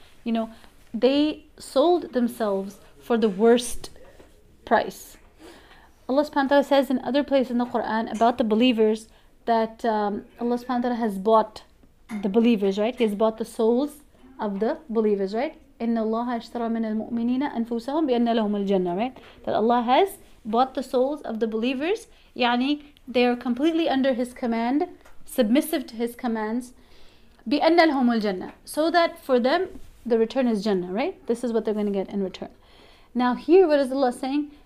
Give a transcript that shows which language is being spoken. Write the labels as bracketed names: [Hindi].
[English] You know, they sold themselves for the worst price. Allah subhanahu wa ta'ala says in other places in the Quran about the believers that Allah subhanahu wa ta'ala has bought the believers, right? He has bought the souls of the believers, right? [Arabic] إِنَّ اللَّهَ اشْتَرَى مِنَ الْمُؤْمِنِينَ أَنفُسَهُمْ بِأَنَّ لَهُمُ الْجَنَّةِ, right? [English] That Allah has bought the souls of the believers, yani they are completely under his command, submissive to his commands, [Arabic] بِأَنَّ لَهُمُ الْجَنَّةِ, [English] so that for them, the return is Jannah, right? This is what they're going to get in return. Now here, what is Allah saying?